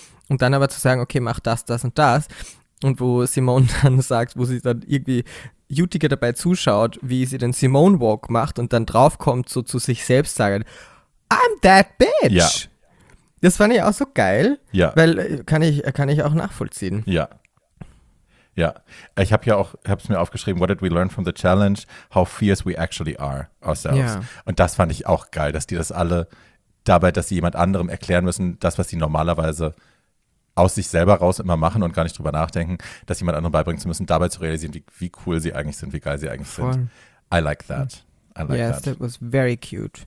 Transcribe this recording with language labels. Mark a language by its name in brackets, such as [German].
[German] und dann aber zu sagen, okay, mach das, das und das und wo Simone dann sagt, wo sie dann irgendwie Utica dabei zuschaut, wie sie den Simone Walk macht und dann draufkommt, so zu sich selbst sagen, [English] I'm that bitch. [German] Ja. Das fand ich auch so geil. Ja. Weil kann ich auch nachvollziehen. Ja. Ja. Ich habe ja auch, hab's mir aufgeschrieben, [English] what did we learn from the challenge? How fierce we actually are ourselves. [German] Ja. Und das fand ich auch geil, dass die das alle dabei, dass sie jemand anderem erklären müssen, das, was sie normalerweise aus sich selber raus immer machen und gar nicht drüber nachdenken, das jemand anderem beibringen zu müssen, dabei zu realisieren, wie cool sie eigentlich sind, wie geil sie eigentlich sind. [English] I like that. I like yes, that was very cute.